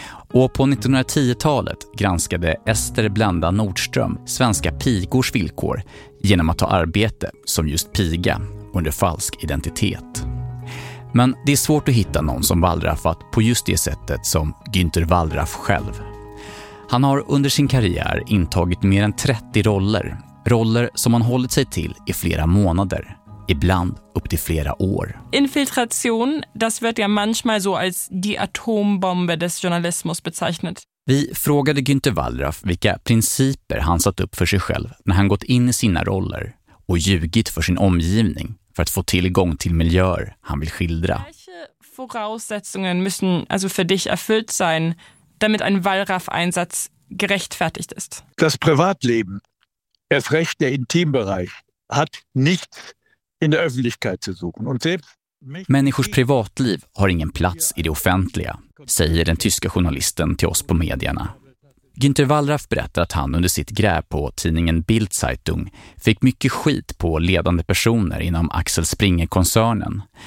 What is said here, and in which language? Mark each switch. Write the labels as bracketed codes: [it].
[sv] Och på 1910-talet granskade Ester Blenda Nordström svenska pigors villkor genom att ta arbete som just piga under falsk identitet. Men det är svårt att hitta någon som wallraffat på just det sättet som Günter Wallraff själv. Han har under sin karriär intagit mer än 30 roller. Roller som han hållit sig till i flera månader. Ibland upp till flera år. [de] Infiltration, das wird ja manchmal so als die Atombombe des Journalismus bezeichnet. [sv] Vi frågade Günter Wallraff vilka principer han satt upp för sig själv när han gått in i sina roller och ljugit för sin omgivning för att få tillgång till miljöer han vill skildra. [de] Voraussetzungen müssen also für dich erfüllt sein, damit ein Wallraff-Einsatz gerechtfertigt ist. Das Privatleben, erst recht der Intimbereich, hat nichts in der Öffentlichkeit zu suchen. Und selbst [sv] Människors privatliv har ingen plats i det offentliga, säger den tyska journalisten till oss på medierna. Günter Wallraff berättar att han under sitt gräv på tidningen Bildzeitung fick mycket skit på ledande personer inom Axel Springer-koncernen.